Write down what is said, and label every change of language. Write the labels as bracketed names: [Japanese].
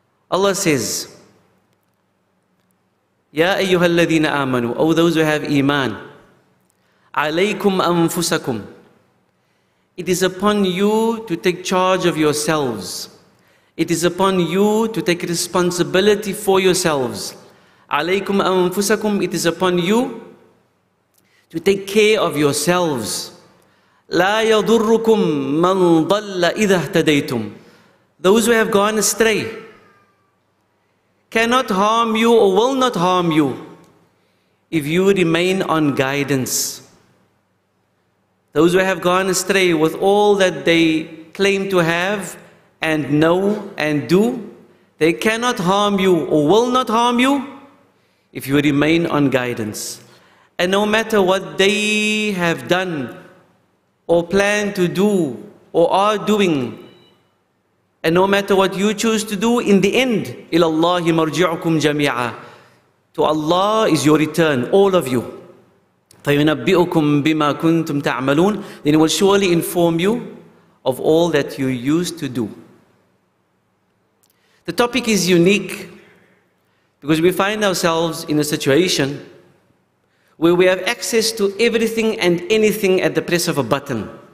[English] Allah says, [Arabic] Ya ayyuhal ladhina amanu, [English] O those who have iman, [Arabic] alaykum anfusakum, [English] it is upon you to take charge of yourselves. It is upon you to take responsibility for yourselves. [Arabic] عليكم أنفسكم. [English] It is upon you to take care of yourselves. [Arabic] لا يضركم من ضل إذا اهتديتم. [English] Those who have gone astray cannot harm you or will not harm you if you remain on guidance. Those who have gone astray with all that they claim to have and know and do, they cannot harm you or will not harm you if you remain on guidance. And no matter what they have done or plan to do or are doing, and no matter what you choose to do, in the end, [Arabic] إلى الله مرجعكم جميعا. [English] To Allah is your return, all of you. [Arabic] فينبئكم بما كنتم تعملون. [English] Then he will surely inform you of all that you used to do. The topic is unique because we find ourselves in a situation where we have access to everything and anything at the press of a button.